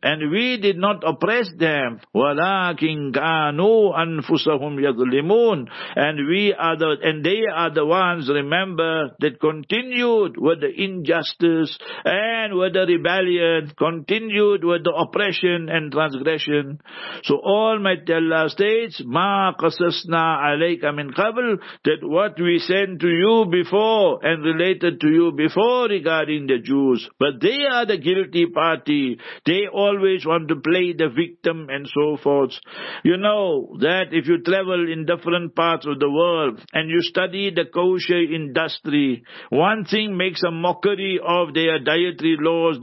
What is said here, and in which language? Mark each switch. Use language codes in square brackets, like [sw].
[en] And we did not oppress them. [ar] وَلَكِنْ كَانُوا أَنفُسَهُمْ يَظْلِمُونَ. [en] And they are the ones, remember, that continued with the injustice and with the rebellion, continued with the oppression and transgression. So Almighty Allah states, [ar] مَا قَصَصْنَا عَلَيْكَ مِنْ قَبْلِ. [en] That what we sent to you before and related to you before regarding the Jews, but they are the guilty party. They always want to play the victim and so forth. You know that if you travel in different parts of the world and you study the kosher industry, one thing makes a mockery of their dietary laws.